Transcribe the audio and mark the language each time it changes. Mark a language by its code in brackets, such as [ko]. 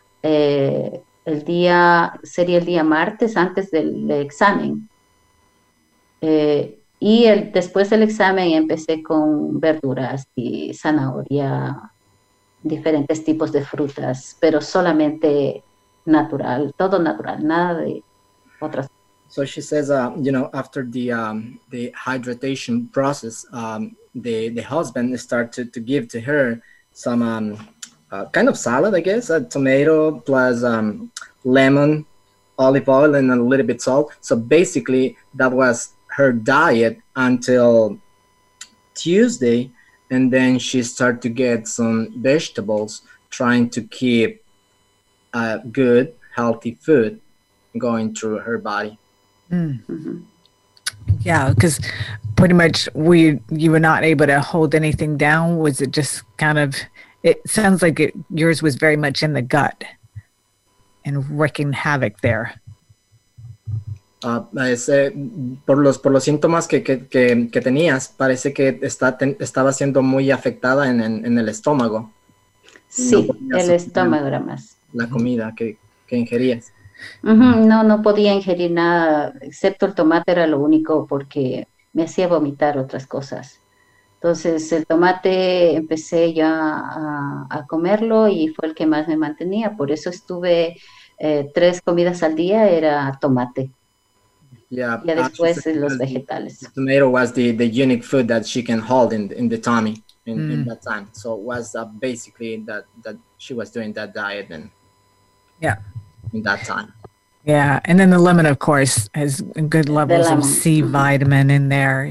[es] El día, sería el día martes antes del examen. Y después del examen empecé con verduras y zanahoria, diferentes tipos de frutas, pero solamente natural, todo natural, nada de otras. [en] So she says, you know, after the hydration process, the husband started to give to her some kind of salad, I guess, a tomato plus lemon, olive oil, and a little bit salt. So basically, that was her diet until Tuesday, and then she started to get some vegetables, trying to keep a good, healthy food going through her body. Mm-hmm. Yeah, because pretty much you were not able to hold anything down. Was it just kind of, it sounds like yours was very much in the gut and wreaking havoc there. [es] Por los síntomas que tenías, parece que estaba siendo muy afectada en el estómago. Sí, el estómago era más. La comida que ingerías. Uh-huh. No podía ingerir nada, excepto el tomate era lo único porque me hacía vomitar otras cosas. Entonces el tomate empecé ya a comerlo y fue el que más me mantenía. Por eso estuve 3 comidas al día, era tomate. [en] Yeah, [es] y después los vegetales. [en] The tomato was the unique food that she can hold in the tummy in that time. So it was basically that she was doing that diet then. Yeah. In that time. Yeah, and then the lemon, of course, has good levels of C vitamin in there.